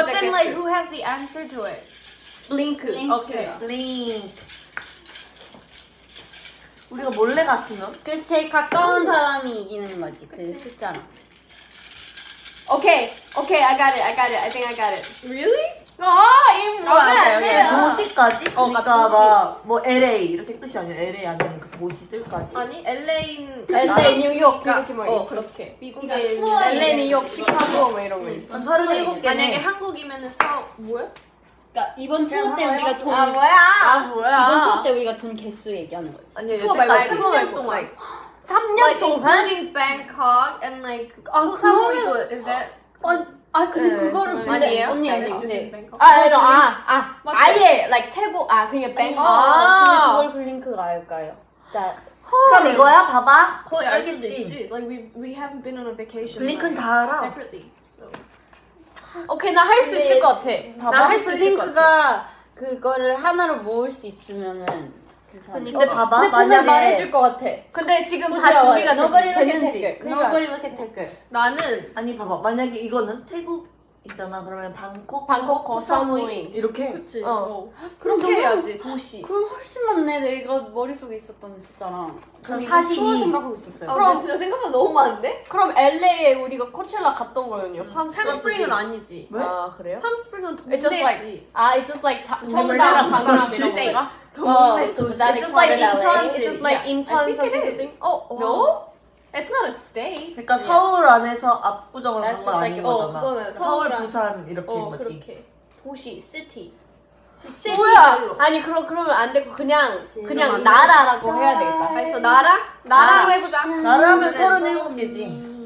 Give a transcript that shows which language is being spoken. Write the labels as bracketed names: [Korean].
[English] But then 게스. Like who has the answer to it? [Korean] 블링크 오케이 블링크 우리가 몰래 갔으면? 그래서 제일 가까운 사람이 이기는 거지 그치? 그 숫자로 [English] 오케이 오케이 okay. okay. I got it I think I got it Really? [Korean] 아 이 뭐야 도시까지? 어, 그러니까 도시. 막 뭐 LA 이렇게 뜻이 아니야 LA 아니면 그 도시들까지 아니 LA는 LA 뉴욕 이렇게 뭐 어, 그렇게 미국에 그러니까 LA 뉴욕 시카고 뭐 이런 거 전 37개 만약에 한국이면은 서 뭐야? 그러니까 이번 투어 때 우리가 돈 아 뭐야? 아 뭐야? 이번 투어 때 우리가 돈 개수 얘기하는 거지 아니 투어 말고 3년 동안 3년 동안? [English] Including Bangkok and like [Korean] 아 그거 [English] is it? [Korean] 아 근데 네, 그거를 근데 언니 아니 언니 아예 like 태국 아 그냥 뱅크 아 근데 그걸 블링크가 아닐까요? 그럼 이거야 봐봐 허 알 수도 있지 [English] like we haven't been on a vacation [Korean] 블링크는 다 알아 [English] separately so [Korean] 오케이 나 할 수 있을 것 같아 봐봐 나 할 수 있을 것 같아 블링크가 그거를 하나로 모을 수 있으면은 근데 봐봐 근데 만약에 보면 말해줄 것 같아 근데 지금 다 준비가 됐는지 [English] Nobody look at 댓글 [Korean] 나는 아니 봐봐 만약에 이거는 태국 있잖아 그러면 방콕 고사무이 이렇게 그치 어. 그렇게 해야지 도시 그럼 훨씬 많네 내가 머릿속에 있었던 숫자랑 그럼 42 생각하고 있었어요 아, 그럼 근데 진짜 생각보다 너무 많은데? 그럼 LA에 우리가 코첼라 갔던 거였냐 팜스프링은 아니지 왜? 아 그래요? 팜스프링은 동네지 [English] 아 it's just like 청담 [Korean] 이런 거 동네 [English] it's just like 인천 it's just like 인천 something no? It's not a state. [Korean] 그러니까 yeah. 서울 안에서 압구정을 한 건 아닌 거잖아. 어, 서울, 부산 이렇게 어, 거지. 그렇게. 도시, city. 뭐야? 아니 그러면 안 되고 그냥 나라라고 해야 되겠다. 알았어, 나라? 나라로 해보자. 나라면 37개지.